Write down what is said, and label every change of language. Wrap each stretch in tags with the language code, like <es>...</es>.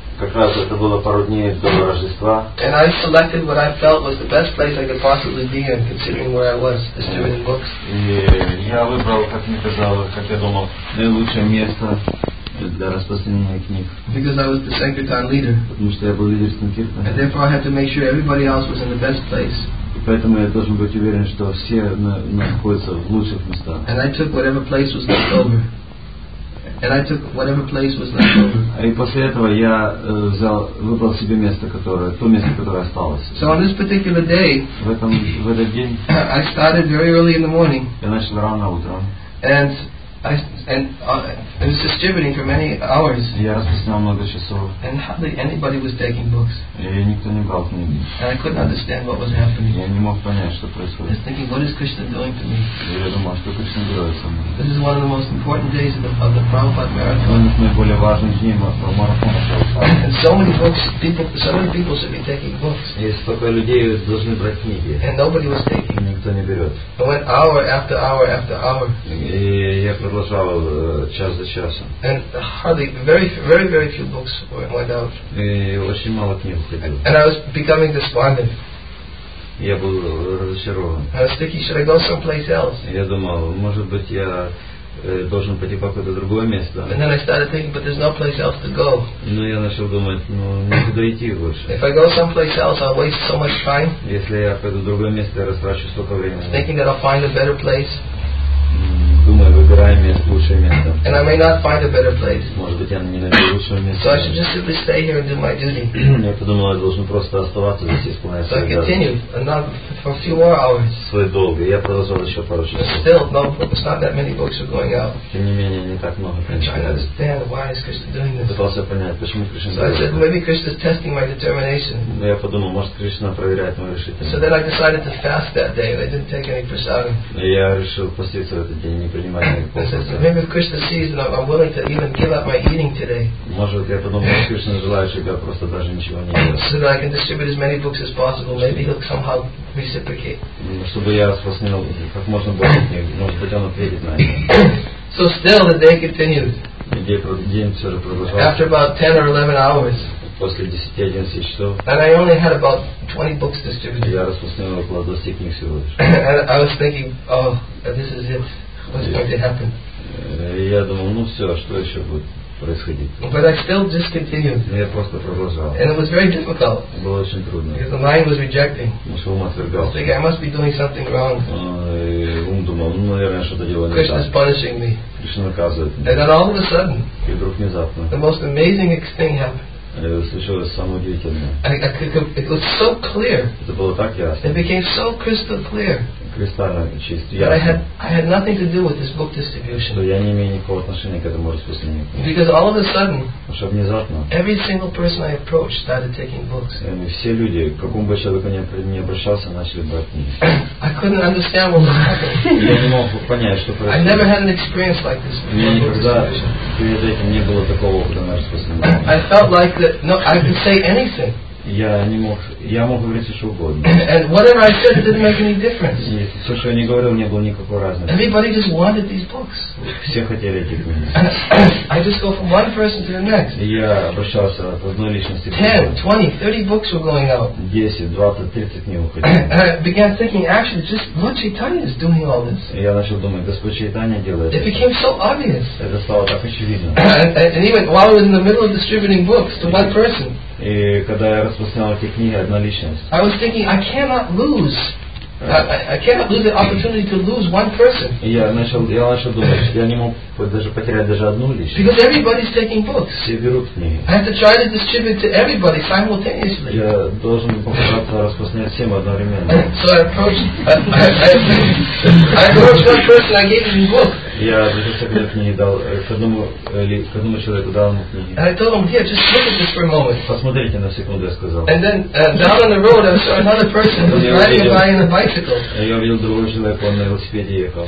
<ru>Как раз это было пару дней до Рождества.</ru> <en>And I selected what I felt was the best place I could possibly be in, considering where I was distributing books.</en> <ru>Я выбрал, как мне казалось, как я думал, наилучшее место для распространения книг.</ru> <en>Because I was the Sankirtan leader.</en> <ru>Потому что я был лидер Санкиртана.</ru> <en>And therefore I had to make sure everybody else was in the best place.</en> <ru>Поэтому я должен быть уверен, что все находятся в лучших местах.</ru> <en>And I took whatever place was left over.</en> <ru>И после этого я выбрал себе место, которое то место, которое осталось.</ru> <en>So on this particular day,</en> <ru>в этот день,</ru> <en>I started very early in the morning.</en> <ru>Я начал рано утром.</ru> <en>And I it was distributing for many hours.</en> <ru>Я распространял много часов.</ru> <en>And hardly anybody was taking books.</en> <ru>И никто не брал книги.</ru> <en>And I couldn't understand what was happening.</en> <ru>Я не мог понять, что происходит.</ru> <en>I was thinking, what is Krishna doing to me?</en> <ru>Я думал, что Кришна делает со мной.</ru> <en>This is one of the most important days of the Prabhupada marathon.</en> <ru>Один из наиболее важных дней марафона.</ru> <en>And so many books, people, so many people should be taking books.</en> <ru>И столько людей должны брать книги.</ru> <en>And nobody was taking.</en> <ru>Никто не берет.</ru> <en>I went hour after hour after hour.</en> <ru>И я продолжал час за часом.</ru> <en>And hardly, very few books went out.</en> <ru>И очень мало книг уходило.</ru> <en>And I was becoming despondent.</en> <ru>Я был разочарован.</ru> <en>I was thinking, should I go someplace else?</en> <ru>Я думал, может быть, я должен пойти куда-то другое место.</ru> <en>And then I started thinking, but there's no place else to go.</en> <ru>Но я начал думать, ну никуда идти больше.</ru> <en>If I go someplace else, I'll waste so much time.</en> <ru>Если я пойду в другое место, я растрачу столько времени.</ru> <en>Thinking that I'll find a better place.</en> <ru>Думаю, выбираю место, лучшее место.</ru> <en>And I may not find a better place.</en> <ru>Может быть, я не найду лучшее место.</ru> <en>So I should just simply stay here and do my duty.</en> <ru>Я подумал, я должен просто оставаться здесь и исполнять свой долг.</ru> <en>So I continued, and not for a few more hours.</en> <ru>Свой долг. Я продолжал еще пару часов.</ru> <en>But still, no, it's not that many books are going out.</en> <ru>Тем не менее, не так много.</ru> <en>I'm trying to understand why is Krishna doing this.</en> <ru>Пытался понять, почему Кришна делает это.</ru> <en>So I said, maybe Krishna is testing my determination.</en> <ru>Но я подумал, может, Кришна проверяет мою решительность.</ru> <en>So then I decided to fast that day, and I didn't take any prasadam.</en> <ru>Я решил поститься в этот день.</ru> <en>Maybe if Krishna sees that I'm willing to even give up my eating today.</en> <ru>Может, я подумал, Кришна желает, чтобы я просто даже ничего не ел.</ru> <en>So that I can distribute as many books as possible. Maybe he'll somehow reciprocate.</en> <ru>Чтобы я распространил как можно больше книг. Может быть, он ответит на это.</ru> <en>So still the day continued.</en> <ru>День все же продолжался.</ru> <en>After about 10 or 11 hours.</en> <ru>После 10-11 часов.</ru> <en>And I only had about 20 books distributed.</en> <ru>Я распространил около 20 книг всего лишь.</ru> <en>And I was thinking, oh, this is it. What's going to happen?</en> <ru>Я думал, ну все, что еще будет происходить?</ru> <en>But I still just continued.</en> <ru>Я просто продолжал.</ru> <en>And it was very difficult.</en> <ru>Было очень трудно.</ru> <en>Because the mind was rejecting.</en> <ru>Ум отвергал.</ru> <en>So I must be doing something wrong.</en> <ru>Ум думал, ну наверное, что-то делаю не так.</ru> <en>Krishna is punishing me.</en> <ru>Кришна наказывает меня.</ru> <en>And then all of a sudden.</en> <ru>И вдруг внезапно.</ru> <en>The most amazing thing happened.</en> <ru>Случилось самое удивительное.</ru> <en>It was so clear.</en> <ru>Это было так ясно.</ru> <en>It became so crystal clear.</en> <ru>Кристально чист.</ru> <en>But I had nothing to do with this book distribution.</en> <ru>Но я не имею никакого отношения к этому распространению.</ru> <en>Because all of a sudden,</en> <ru>внезапно,</ru> <en>every single person I approached started taking books.</en> <ru>Все люди, к какому бы человеку не обращался, начали брать книги.</ru> <en>I couldn't understand what was happening.</en> <ru>Я не мог понять, что происходит.</ru> <en>I never had an experience like this.</en> <ru>У меня никогда перед этим не было такого опыта на распространение.</ru> <en>I felt like that. No, I could say anything.</en> <ru>Я мог говорить что угодно.</ru> <en>And whatever I said didn't make any difference.</en> <ru>И все, что я не говорил, не было никакой разницы.</ru> <en>Everybody just wanted these books.</en> <ru>Все хотели эти книги.</ru> <en>I just go from one person to the next.</en> <ru>Я обращался от одной личности.</ru> <en>10, 20, 30 books were going out.</en> <ru>10, 20, 30 книг уходили.</ru> <en>And I began thinking, actually, just Lord Chaitanya is doing all this.</en> <ru>Я начал думать, Господь Чайтанья делает.</ru> <en>It became so obvious.</en> <ru>Это стало так очевидно.</ru> <en>And even while I was in the middle of distributing books to one person.</en> <ru>И когда я распространял эти книги, одна личность.</ru> <en>I was thinking, I cannot lose. I cannot lose the opportunity to lose one person.</en> <ru>Я начал думать, что я не мог даже потерять даже одну личность.</ru> <en>Because everybody's taking books.</en> <ru>Все берут книги.</ru> <en>I have to try to distribute to everybody simultaneously.</en> <ru>Я должен попытаться распространять всем одновременно.</ru> <en>So I approached one person, I gave him a book.</en> <ru>Я обратился к этой книге, дал к одному человеку, дал ему книги.</ru> <en>And I told him, here, just look at this for a moment.</en> <ru>Посмотрите на секунду, я сказал.</ru> <en>And then down on the road, I saw another person who was riding by in a bicycle.</en> <ru>Я увидел другого человека, он на велосипеде ехал.</ru>